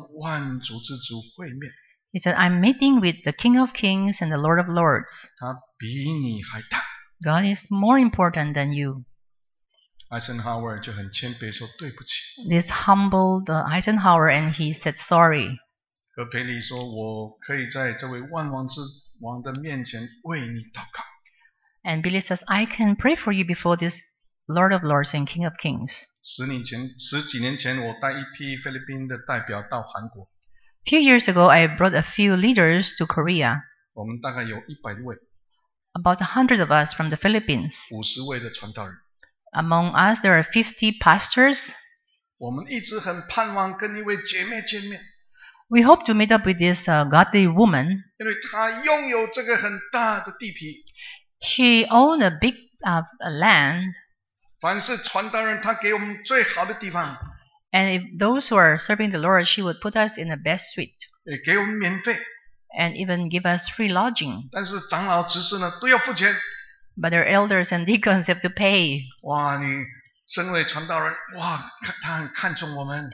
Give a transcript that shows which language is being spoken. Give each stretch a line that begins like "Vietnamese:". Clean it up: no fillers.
Chinese: 他说：“我跟万王之王、万主之主会面。”
English: He said, "I'm meeting with the King of Kings and the Lord of Lords." God is more important than you.
Chinese: Eisenhower 就很谦卑说对不起。
English: This humbled Eisenhower and he said sorry.
Chinese: 哥培里说：“我可以在这位万王之王的面前为你祷告。”
English: And Billy says, "I can pray for you before this Lord of Lords and King of Kings."
Chinese: 十几年前，我带一批菲律宾的代表到韩国。
English: A few years ago, I brought a few leaders to Korea.
Chinese: 我们大概有100位。
English: About 100 of us from the Philippines.
Chinese: 50位的传道人。
English: Among us, there are 50 pastors.
Chinese: 我们一直很盼望跟一位姐妹见面。
English: We hope to meet up with this godly woman.
Chinese: 因为她拥有这个很大的地皮。
English: She owned a big land.
Chinese: 凡是传道人，她给我们最好的地方。
English: And if those who are serving the Lord, she would put us in the best suite.
Chinese: 也给我们免费。
English: And even give us free lodging.
Chinese: 但是长老执事呢，都要付钱。
English: But our elders and deacons have to pay.
Chinese: 哇，你身为传道人，哇，他很看重我们。